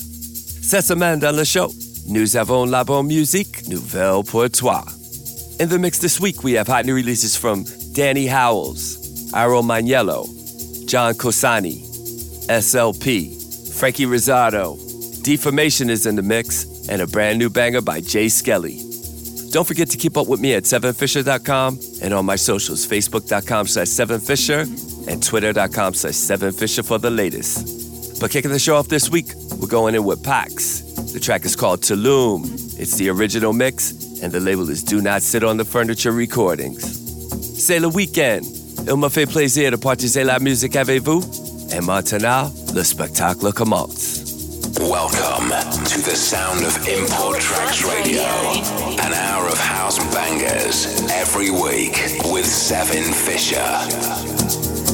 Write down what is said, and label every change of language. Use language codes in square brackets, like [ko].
[fr] Cette semaine dans le show, nous avons la bonne musique nouvelle pour toi. [en] In the mix this week, we have hot new releases from Danny Howells, Iro Maniello, John Cosani, SLP, Frankie Rizzardo, Deformation is in the mix, and a brand new banger by Jay Skelly. Don't forget to keep up with me at 7fisher.com and on my socials, facebook.com/7fisher and twitter.com/7fisher for the latest. But kicking the show off this week, we're going in with Pax. The track is called Tulum. It's the original mix, and the label is Do Not Sit on the Furniture Recordings. [fr] C'est le weekend. Il me fait plaisir de partager la musique avec vous. Et maintenant, le spectacle commence. [en] Welcome to the sound of Import Tracks Radio, an hour of house bangers every week with Seven Fisher.